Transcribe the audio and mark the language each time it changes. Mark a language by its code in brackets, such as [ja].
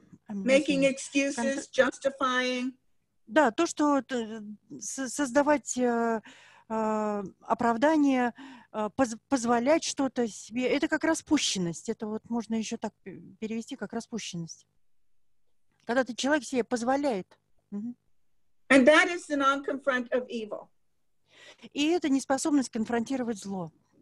[en] making excuses, justifying. [ru] Да, то, что создавать оправдание, позволять что-то себе, это как распущенность. Это вот можно еще так перевести, как распущенность. Когда ты человек себе позволяет. [en] And that is the non-confront of evil. [ru] И это неспособность конфронтировать зло.